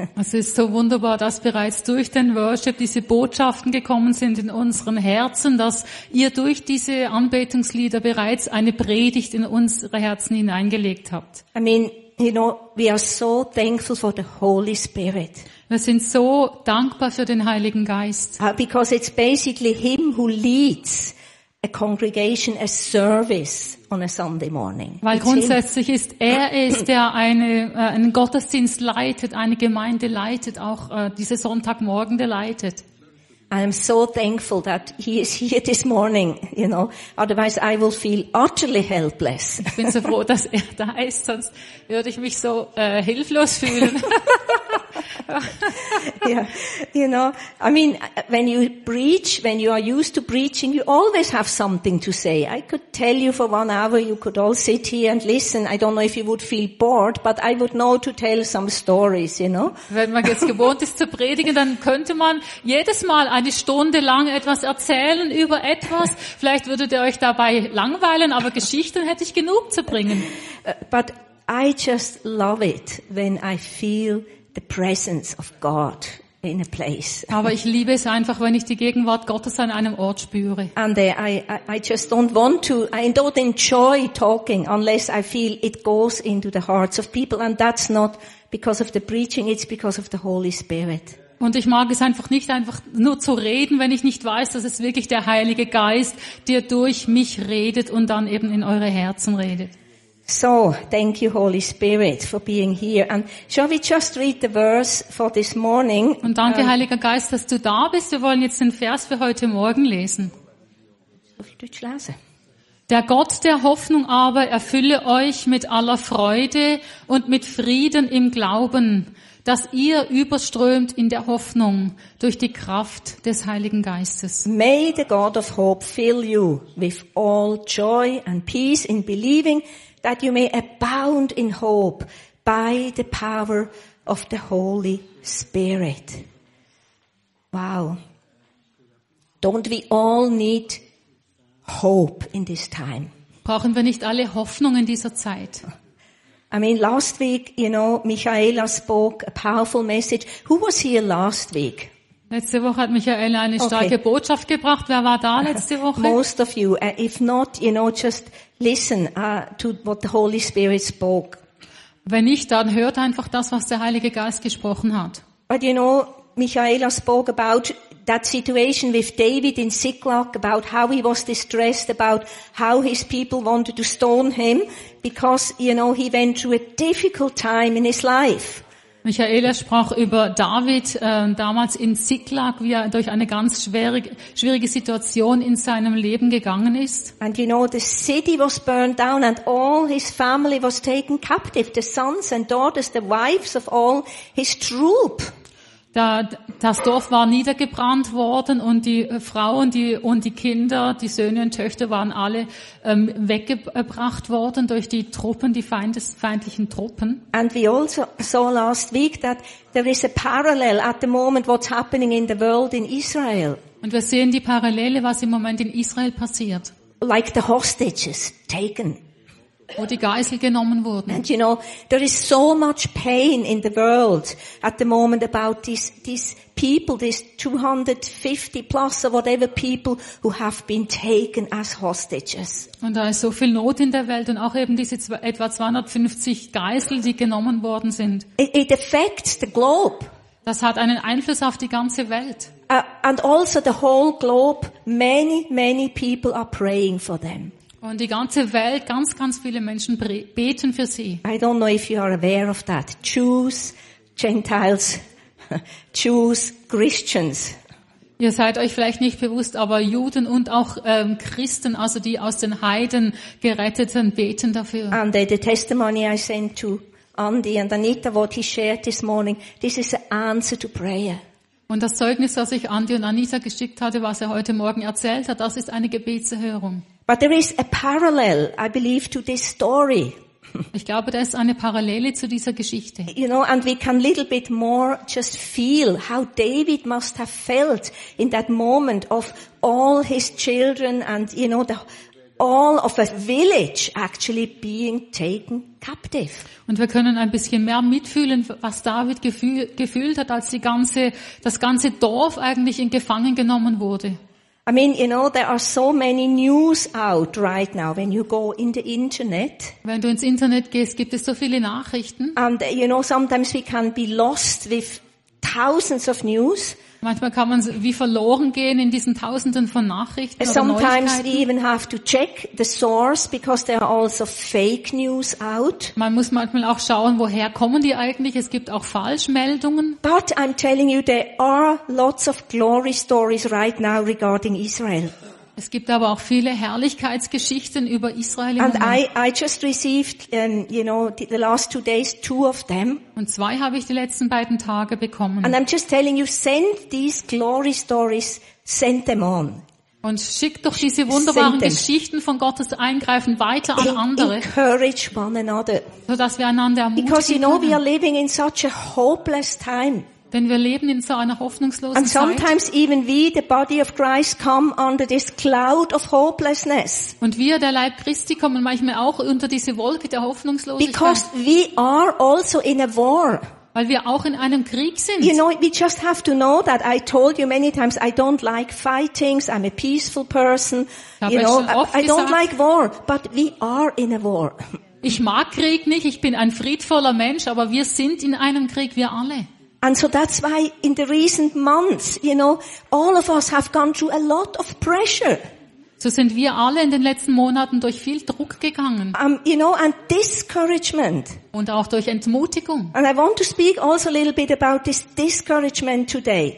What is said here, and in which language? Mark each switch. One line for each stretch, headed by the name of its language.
German: Es ist so wunderbar, dass bereits durch den Worship diese Botschaften gekommen sind in unseren Herzen, dass ihr durch diese Anbetungslieder bereits eine Predigt in unsere Herzen hineingelegt habt.
English: I mean, you know, we are so thankful for the Holy Spirit.
German: Wir sind so dankbar für den Heiligen Geist.
English: Because it's basically him who leads a congregation, a service on a Sunday morning.
German: Weil grundsätzlich ist er es, der einen Gottesdienst leitet, eine Gemeinde leitet, auch diese Sonntagmorgen leitet.
English: I am so thankful that he is here this morning, you know. Otherwise I will feel utterly helpless.
German: Ich bin so froh, dass er da ist, sonst würde ich mich so hilflos fühlen.
English: Yeah, you know, I mean, when you preach, when you are used to preaching, you always have something to say. I could tell you for 1 hour, you could all sit here and listen. I don't know if you would feel bored, but I would know to tell some stories, you know.
German: Wenn man jetzt gewohnt ist zu predigen, dann könnte man jedes Mal eine Stunde lang etwas erzählen über etwas. Vielleicht würdet ihr euch dabei langweilen, aber Geschichten hätte ich genug zu bringen.
English: But I just love it when I feel the presence of God in a place.
German: Aber ich liebe es einfach, wenn ich die Gegenwart Gottes an einem Ort spüre.
English: And I just don't want to, I don't enjoy talking unless I feel it goes into the hearts of people. And that's not because of the preaching, it's because of the Holy Spirit.
German: Und ich mag es einfach nicht, einfach nur zu reden, wenn ich nicht weiß, dass es wirklich der Heilige Geist, der durch mich redet und dann eben in eure Herzen redet.
English: So, thank you, Holy Spirit, for being here. And shall we just read the verse for this morning?
German: Und danke, Heiliger Geist, dass du da bist. Wir wollen jetzt den Vers für heute Morgen lesen. Auf Deutsch lesen. Der Gott der Hoffnung aber erfülle euch mit aller Freude und mit Frieden im Glauben, dass ihr überströmt in der Hoffnung durch die Kraft des Heiligen Geistes.
English: May the God of hope fill you with all joy and peace in believing, that you may abound in hope by the power of the Holy Spirit. Wow. Don't we all need hope in this time?
German: Brauchen wir nicht alle Hoffnung in dieser Zeit?
English: I mean, last week, you know, Michaela spoke a powerful message. Who was here last week?
German: Letzte Woche hat Michaela eine starke Botschaft gebracht. Wer war da letzte Woche?
English: Most of you. If not, you know, just listen to what the Holy Spirit spoke.
German: Wenn nicht, dann hört einfach das, was der Heilige Geist gesprochen hat.
English: But you know, Michaela spoke about that situation with David in Ziklag, about how he was distressed, about how his people wanted to stone him, because, you know, he went through a difficult time in his life.
German: Michaela sprach über David damals in Ziklag, wie er durch eine ganz schwierige Situation in seinem Leben gegangen ist.
English: And you know, the city was burned down and all his family was taken captive, the sons and daughters, the wives of all his troop.
German: Das Dorf war niedergebrannt worden und die Frauen und die Kinder, die Söhne und Töchter waren alle weggebracht worden durch die Truppen, die feindlichen Truppen.
English: And we also saw last week that there is a parallel at the moment what's happening in the world in Israel.
German: Und wir sehen die Parallele, was im Moment in Israel passiert.
English: Like the hostages taken.
German: Wo die Geisel genommen wurden.
English: And you know, there is so much pain in the world at the moment about these people, these 250 plus or whatever people who have been taken as hostages.
German: Und da ist so viel Not in der Welt und auch eben diese etwa 250 Geisel, die genommen worden sind.
English: It affects the globe.
German: Das hat einen Einfluss auf die ganze Welt.
English: And also the whole globe, many people are praying for them.
German: Und die ganze Welt, ganz, ganz viele Menschen beten für sie.
English: I don't know if you are aware of that. Jews, Gentiles, Jews, Christians.
German: Ihr seid euch vielleicht nicht bewusst, aber Juden und auch Christen, also die aus den Heiden Geretteten, beten dafür.
English: And the testimony I sent to Andy and Anita, what he shared this morning, this is an answer to prayer.
German: Und das Zeugnis, das ich Andy und Anita geschickt hatte, was er heute Morgen erzählt hat, das ist eine Gebetserhörung.
English: But there is a parallel, I believe, to this story.
German: Ich glaube, da ist eine Parallele zu dieser Geschichte.
English: You know, and we can a little bit more just feel how David must have felt in that moment of all his children and, you know, all of a village actually being taken captive.
German: Und wir können ein bisschen mehr mitfühlen, was David gefühlt hat, als das ganze Dorf eigentlich in Gefangen genommen wurde.
English: I mean, you know, there are so many news out right now when you go in the internet.
German: Wenn du ins Internet gehst, gibt es so viele Nachrichten.
English: And you know, sometimes we can be lost with thousands of news.
German: Manchmal kann man wie verloren gehen in diesen tausenden von Nachrichten oder
English: sometimes
German: Neuigkeiten.
English: We even have to check the source because there are also fake news out.
German: Man muss manchmal auch schauen, woher kommen die eigentlich? Es gibt auch Falschmeldungen.
English: But I'm telling you, there are lots of glory stories right now regarding Israel.
German: Es gibt aber auch viele Herrlichkeitsgeschichten über Israel.
English: And I just received, you know, the last 2 days, 2 of them.
German: Und 2 habe ich die letzten beiden Tage bekommen.
English: And I'm just telling you, send these glory stories, send them on.
German: Und schick doch diese wunderbaren Geschichten von Gottes Eingreifen weiter an andere.
English: Encourage one another.
German: So dass wir einander ermutigen.
English: Because you know, we are living in such a hopeless time.
German: Denn wir leben in so einer hoffnungslosen Zeit.
English: And sometimes even we, the body of Christ, come under this cloud of hopelessness.
German: Und wir, der Leib Christi, kommen manchmal auch unter diese Wolke der Hoffnungslosigkeit.
English: Because we are also in a war.
German: Weil wir auch in einem Krieg sind.
English: You know, we just have to know that. I told you many times, I don't like fightings. I'm a peaceful person. You know, I don't like war, but we are in a war.
German: Ich mag Krieg nicht. Ich bin ein friedvoller Mensch, aber wir sind in einem Krieg, wir alle.
English: And so that's why in the recent months, you know, all of us have gone through a lot of pressure.
German: So sind wir alle in den letzten Monaten durch viel Druck gegangen.
English: You know, and discouragement.
German: Und auch durch Entmutigung.
English: And I want to speak also a little bit about this discouragement today.